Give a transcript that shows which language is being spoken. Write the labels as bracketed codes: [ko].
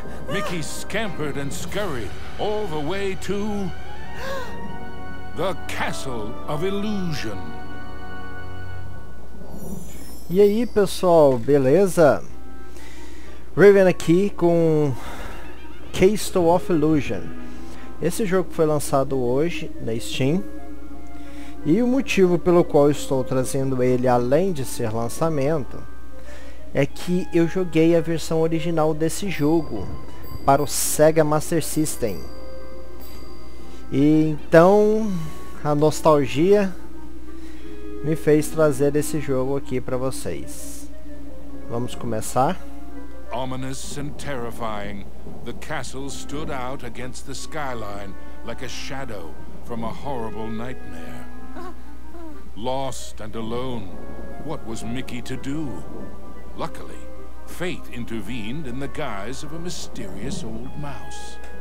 [en] Mickey scampered and scurried all the way to the Castle of Illusion. [pt] E aí, pessoal, beleza? Raven aqui com Castle of Illusion. Esse jogo foi lançado hoje na Steam. E o motivo pelo qual estou trazendo ele, além de ser lançamento, é que eu joguei a versão original desse jogo para o Sega Master System. E então a nostalgia me fez trazer esse jogo aqui para vocês. Vamos começar. [en] Ominous and terrifying, the castle stood out against the skyline like a shadow from a horrible nightmare. Lost and alone, what was Mickey to do? Luckily, fate intervened in the guise of a mysterious old mouse.